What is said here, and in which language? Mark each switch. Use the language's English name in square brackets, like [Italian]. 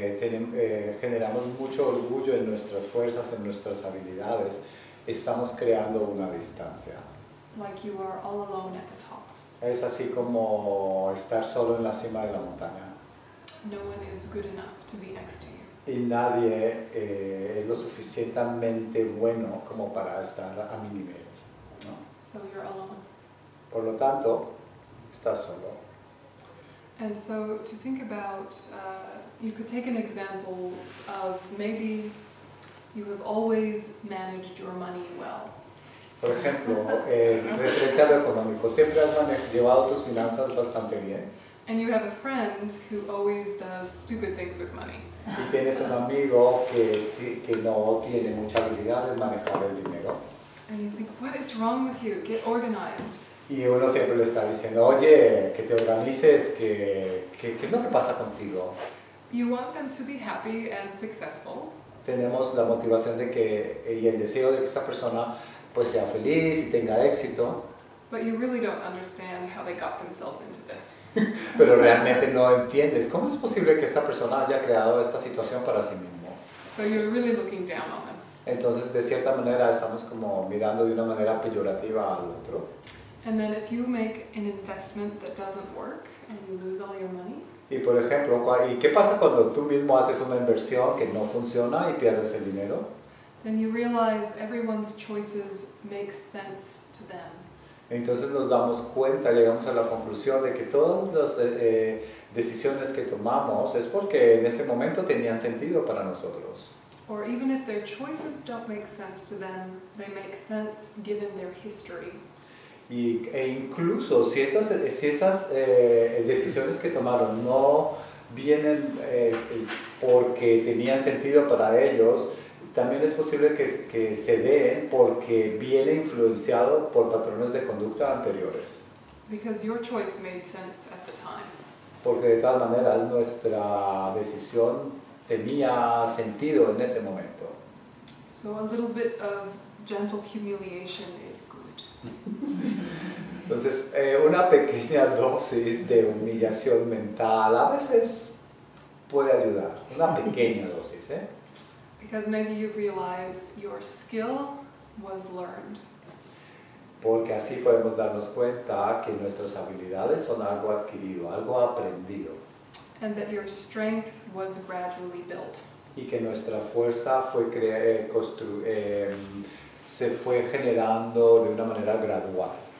[Spanish] Cuando generamos mucho orgullo en nuestras fuerzas, en nuestras habilidades, estamos creando una distancia. [English] Like you are all alone at the top. [Spanish] Es así como estar solo en la cima de la montaña. [English] No one is good enough to be next to you. [Spanish] Y nadie es lo suficientemente bueno como para estar a mi nivel, ¿no? [English] So you're alone. [Spanish] Por lo tanto, estás solo. [English] And so to think about, you could take an example of maybe you have always managed your money well. [Spanish] Por ejemplo, referente a lo económico, siempre has llevado tus finanzas bastante bien. [English] And you have a friend who always does stupid things with money. [Spanish] Y tienes un amigo que no tiene mucha habilidad en manejar el dinero. [English] And you think, what is wrong with you? Get organized. [Spanish] Y uno siempre le está diciendo, oye, que te organices, ¿qué es lo que pasa contigo? [English] You want them to be happy and successful. [Spanish] Tenemos la motivación de que, y el deseo de que esta persona pues sea feliz y tenga éxito. [English] But you really don't understand how they got themselves into this. [Spanish] Pero realmente no entiendes cómo es posible que esta persona haya creado esta situación para sí mismo. [English] So you're really looking down on them. [Spanish] Entonces, de cierta manera, estamos como mirando de una manera peyorativa al otro. [English] And then if you make an investment that doesn't work and you lose all your money. [Spanish] Y por ejemplo, ¿y qué pasa cuando tú mismo haces una inversión que no funciona y pierdes el dinero? [English] Then you realize everyone's choices make sense to them. [Spanish] Entonces nos damos cuenta, llegamos a la conclusión de que todas las decisiones que tomamos es porque en ese momento tenían sentido para nosotros. [English] Or even if their choices don't make sense to them, they make sense given their history. [Spanish] Y, e incluso si esas, decisiones que tomaron no vienen porque tenían sentido para ellos, también es posible que se den porque viene influenciado por patrones de conducta anteriores. [English] Because your choice made sense at the time. [Spanish] Porque de todas maneras nuestra decisión tenía sentido en ese momento. [English] So a little bit of gentle humiliation is good. [Spanish] Entonces, una pequeña dosis de humillación mental a veces puede ayudar. Una pequeña dosis, ¿eh? [English] Because maybe you realize your skill was learned. [Spanish] Porque así podemos darnos cuenta que nuestras habilidades son algo adquirido, algo aprendido. [English] And that your strength was gradually built. [Spanish] Y que nuestra fuerza fue se fue generando de una manera gradual.